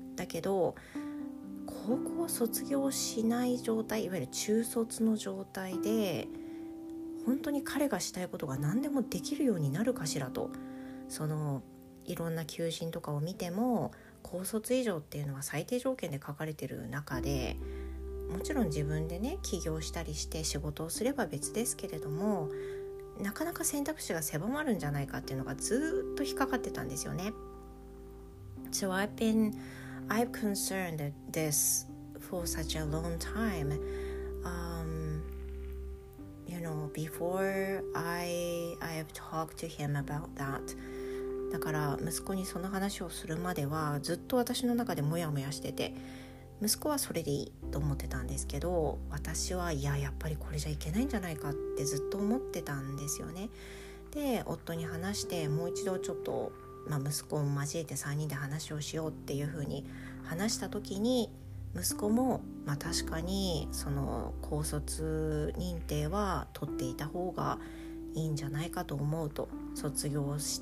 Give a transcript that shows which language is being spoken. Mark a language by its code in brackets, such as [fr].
[ja] だけど高校卒業しない状態、いわゆる中卒の状態で本当に彼がしたいことが何でもできるようになるかしらと、そのいろんな求人とかを見ても高卒以上っていうのは最低条件で書かれてる中で、もちろん自分でね起業したりして仕事をすれば別ですけれども、なかなか選択肢が狭まるんじゃないかっていうのがずっと引っかかってたんですよね。 [en] So I've concerned this for such a long time. You know, before I have talked to him about that. [ja] だから息子にその話をするまではずっと私の中でモヤモヤしてて、息子はそれでいいと思ってたんですけど、私はいややっぱりこれじゃいけないんじゃないかってずっと思ってたんですよね。で夫に話してもう一度ちょっと、まあ、息子を交えて3人で話をしようっていう風に話した時に、息子も、まあ、確かにその高卒認定は取っていた方がいいんじゃないかと思うと、卒業